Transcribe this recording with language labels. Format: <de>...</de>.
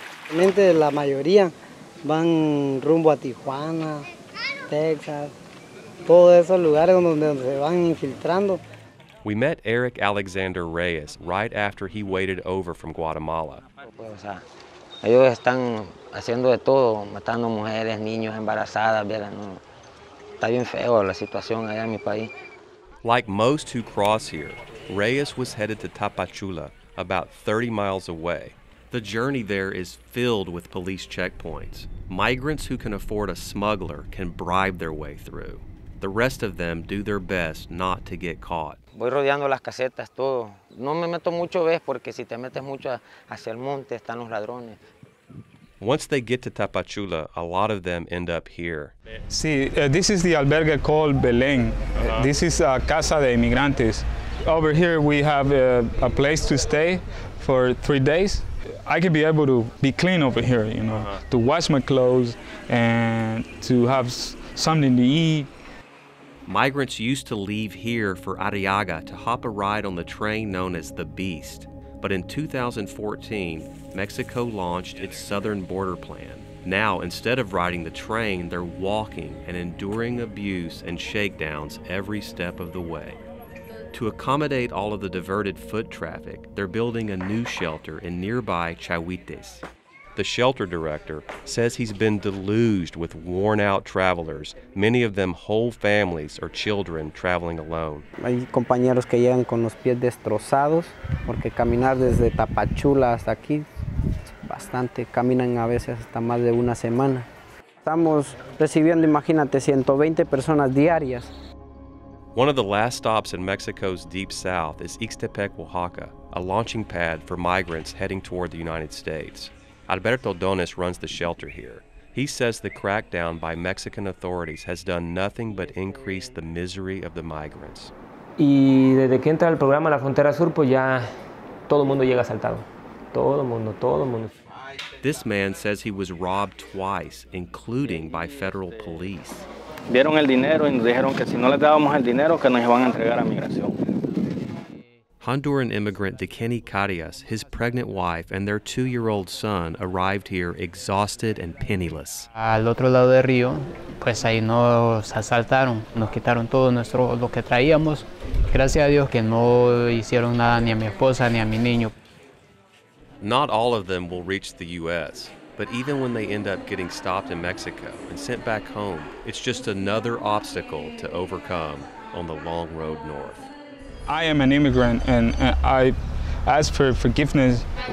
<es>Realmente la mayoría van rumbo a Tijuana, Texas, todos esos lugares donde se van infiltrando.</es> <en>We met Eric Alexander Reyes right after he waded over from Guatemala.</en> <es>Ellos están haciendo de todo, matando mujeres, niños, embarazadas, ¿verdad? No, está bien feo la situación allá en mi país.</es> <en>Like most who cross here, Reyes was headed to Tapachula, about 30 miles away. The journey there is filled with police checkpoints. Migrants who can afford a smuggler can bribe their way through. The rest of them do their best not to get caught. Voy rodeando las casetas, todo. No me meto mucho, ves, porque si te metes mucho hacia el monte, están los ladrones. Once they get to Tapachula, a lot of them end up here. See, this is the albergue called Belén. This is a casa de inmigrantes. Over here, we have a place to stay for 3 days. I could be able to be clean over here, you know, to wash my clothes and to have something to eat. Migrants used to leave here for Arriaga to hop a ride on the train known as the Beast. But in 2014, Mexico launched its southern border plan. Now, instead of riding the train, they're walking and enduring abuse and shakedowns every step of the way. To accommodate all of the diverted foot traffic, they're building a new shelter in nearby Chahuites. The shelter director says he's been deluged with worn-out travelers, many of them whole families or children traveling alone.</en> <es>Hay compañeros que llegan con los pies destrozados porque caminar desde Tapachula hasta aquí es bastante. Caminan a veces hasta más de una semana. Estamos recibiendo, imagínate, 120 personas diarias.</es> <en>One of the last stops in Mexico's deep south is Ixtepec, Oaxaca, a launching pad for migrants heading toward the United States. Alberto Donis runs the shelter here. He says the crackdown by Mexican authorities has done nothing but increase the misery of the migrants.</en> <es>Y desde que entra el programa La Frontera Sur, pues ya todo el mundo llega asaltado. Todo el mundo.</es> <en>This man says he was robbed twice, including by federal police.</en> <es>Vieron el dinero y nos dijeron que si no les dábamos el dinero, que nos iban a entregar a migración.</es> <en>Honduran immigrant Dekeni Carias, his pregnant wife, and their 2-year-old son arrived here exhausted and penniless.</en> <es>Al otro lado del río, pues ahí nos asaltaron, nos quitaron todo nuestro lo que traíamos. Gracias a Dios que no hicieron nada ni a mi esposa ni a mi niño.</es> <en>Not all of them will reach the U.S., but even when they end up getting stopped in Mexico and sent back home, it's just another obstacle to overcome on the long road north. I am an immigrant, and I ask for forgiveness.</en>